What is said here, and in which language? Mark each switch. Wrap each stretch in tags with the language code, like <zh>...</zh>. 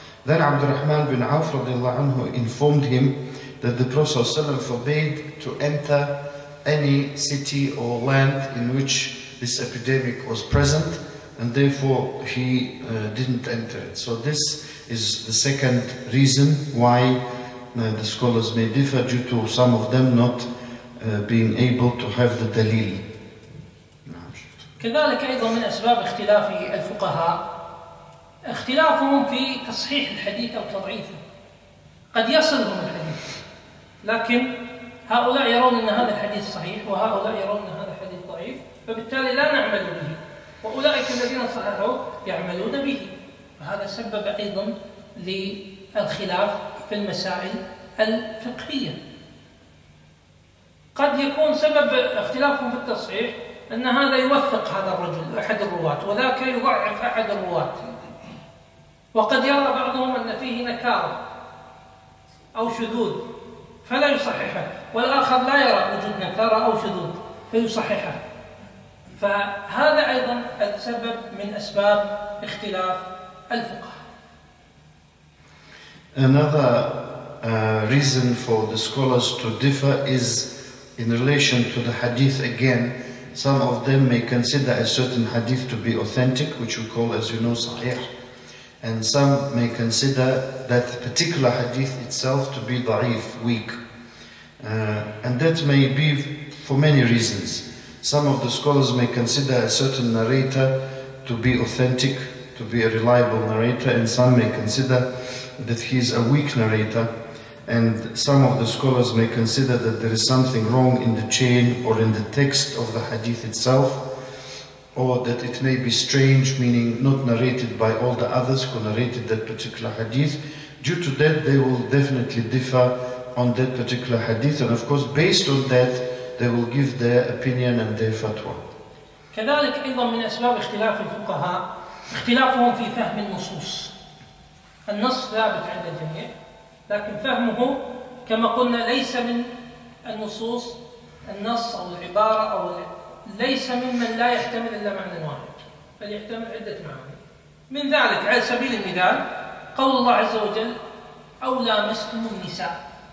<en>Then Abdurrahman bin Auf radiallahu anhu informed him that the Prophet ﷺ forbade to enter any city or land in which this epidemic was present, and therefore he didn't enter it. So this is the second reason why the scholars may differ due to some of them not being able to have the dalil.</en> <ar>كذلك أيضا من أسباب اختلاف الفقهاء اختلافهم في تصحيح الحديث أو تضعيفه قد يصلهم الحديث لكن هؤلاء يرون أن هذا الحديث صحيح وهؤلاء يرون أن هذا الحديث ضعيف فبالتالي لا نعمل به وأولئك الذين صححوا يعملون به وهذا سبب أيضا للخلاف في المسائل الفقهية قد يكون سبب اختلافهم في التصحيح أن هذا يوثق هذا الرجل أحد الرواة وذاك يضعف أحد الرواة وقد يرى بعضهم أن فيه نكارة أو شذوذ فلا يصححه والآخر لا يرى وجود نكارة أو شذوذ فيصححه فهذا أيضا السبب من أسباب اختلاف الفقه</ar> <en>Another reason for the scholars to differ is in relation to the hadith again. Some of them may consider a certain hadith to be authentic, which we call, as you know, sahih. And some may consider that particular hadith itself to be da'if, weak. And that may be for many reasons. Some of the scholars may consider a certain narrator to be authentic, to be a reliable narrator, and some may consider that he is a weak narrator. And some of the scholars may consider that there is something wrong in the chain or in the text of the hadith itself, or that it may be strange, meaning not narrated by all the others who narrated that particular hadith. Due to that, they will definitely differ on that particular hadith, and of course, based on that, they will give their opinion and their fatwa.</en> <ar>كذلك أيضا من أسباب اختلاف الفقهاء اختلافهم في فهم النصوص. النص ثابت عند الجميع. لكن فهمه كما قلنا ليس من النصوص النص أو العبارة أو ليس ممن لا يحتمل إلا معنى واحد بل يحتمل عدة معاني من ذلك على سبيل المثال قول الله عز وجل أو لامستم النساء</ar>